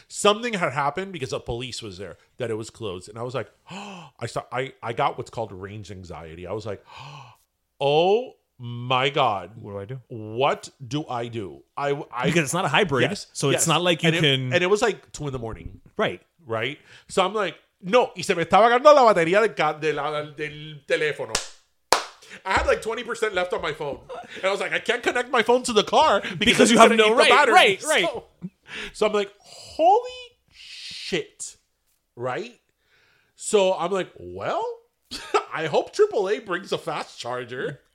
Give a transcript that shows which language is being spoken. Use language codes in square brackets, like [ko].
[en] Something had happened because the police was there that it was closed. And I was like, oh, I got what's called range anxiety. I was like, oh my God. What do I do? What do I do? I because it's not a hybrid. Yes, so it's not like you can. And it was like 2 a.m. Right. Right. So I'm like, no. [es] Y se me estaba agarrando la batería del teléfono. [en] I had like 20% left on my phone. And I was like, I can't connect my phone to the car because you have no battery. Right, right. So I'm like, holy shit. Right? So I'm like, well, I hope AAA brings a fast charger.